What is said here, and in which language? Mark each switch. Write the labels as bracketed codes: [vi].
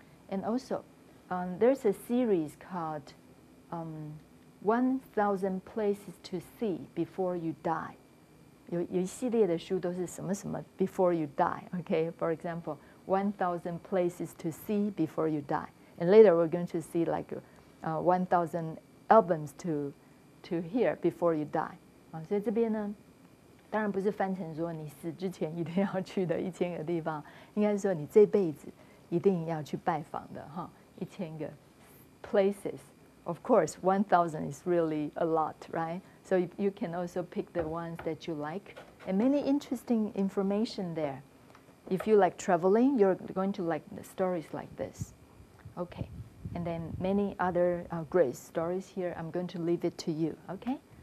[en] And also, there's a series called 1,000 Places to See Before You Die. [zh] 有一系列的书都是什么什么 [en] before you die, [zh] okay? [en] For example, 1,000 Places to See Before You Die. And later we're going to see like 1,000 albums to hear before you die. [zh] 所以这边呢，当然不是翻成说你死之前一定要去的一千个地方，应该是说你这辈子一定要去拜访的哈，一千个 places. [en] Of course, 1,000 is really a lot, right? So you can also pick the ones that you like. And many interesting information there. If you like traveling, you're going to like the stories like this. Okay. And then many other great stories here. I'm going to leave it to you, okay?